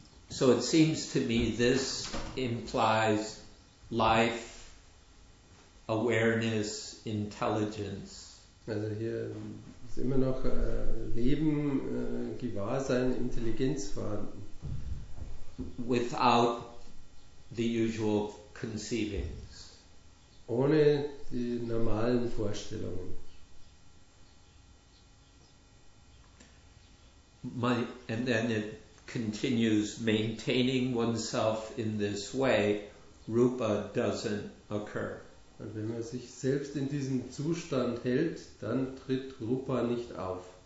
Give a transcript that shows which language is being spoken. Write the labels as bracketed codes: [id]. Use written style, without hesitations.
[en] So it seems to me this implies life, awareness, intelligence. [de] Also hier ist immer noch Leben, Gewahrsein, Intelligenz vorhanden. [en] Without the usual conceivings. [de] Ohne die normalen Vorstellungen. [en] And then it continues, maintaining oneself in this way, rupa doesn't occur. [de] Und wenn man sich selbst in diesem Zustand hält, dann tritt rupa nicht auf.